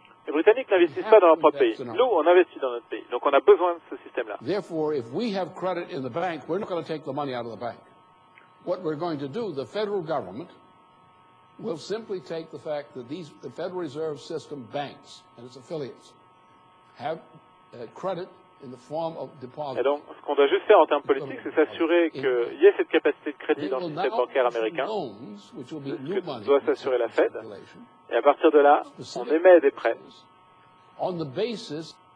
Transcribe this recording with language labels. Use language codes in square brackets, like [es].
[fr] Les Britanniques n'investissent pas dans leur propre pays. Nous, on investit dans notre pays. Donc, on a besoin de ce système-là. [en] Therefore, if we have credit in the bank, we're not going to take the money out of the bank. What we're going to do, the federal government will simply take the fact that these the Federal Reserve System banks and its affiliates have credit in the form of deposits. [fr] Et donc, ce qu'on doit juste faire en termes politiques, c'est s'assurer qu'il y ait cette capacité de crédit dans le système bancaire américain. [en] Which will be new [fr] ce que doit s'assurer la Fed. Et à partir de là, on émet des prêts. [en] On the basis